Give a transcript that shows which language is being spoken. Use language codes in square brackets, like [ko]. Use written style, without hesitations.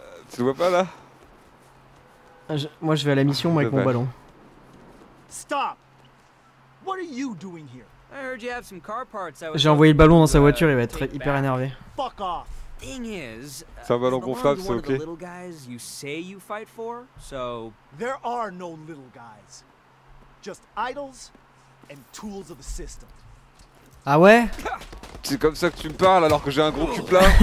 [fr] tu le vois pas là? Moi je vais à la mission avec mon ballon. [en] Stop! What are you doing here? I heard you have some car parts. [fr] J'ai envoyé le ballon dans sa voiture, il va être hyper énervé. [en] Fuck off! Thing is, [fr] c'est un ballon gonflable, c'est ok. [en] The little guys you say you fight for, so there are no little guys, just idols and tools of the system. [fr] Ah ouais? C'est comme ça que tu me parles alors que j'ai un gros cul plat.